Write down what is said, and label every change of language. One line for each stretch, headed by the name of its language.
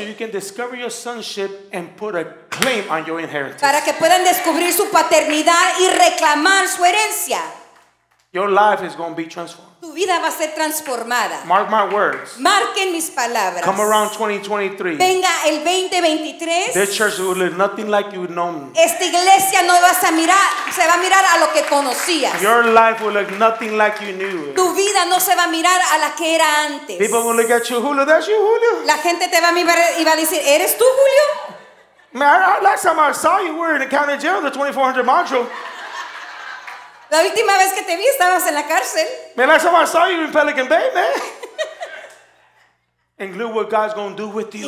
English: So you can discover your sonship and put a claim on your inheritance.
Spanish: Para que puedan descubrir su paternidad y reclamar su herencia.
English: Your life is going to be transformed.
Spanish: Tu vida va a ser transformada.
English: Mark my words.
Spanish: Marquen mis palabras.
English: Come around 2023.
Spanish: Venga el 2023.
English: This church will look nothing like you've known.
Spanish: Esta iglesia no vas a mirar, se va a mirar a lo que conocías.
English: Your life will look nothing like you knew.
Spanish: Tu vida no se va a mirar a la que era antes.
English: People will look at you, Julio. That's you, Julio.
Spanish: La gente te va a mirar y va a decir, ¿eres tú, Julio?
English: Man, last time I saw you, we were in the county jail, the 2400 module.
Spanish: La última vez que te vi estabas en la cárcel.
English: Man, last time I saw you in Pelican Bay, man. And look what God's going to do with you.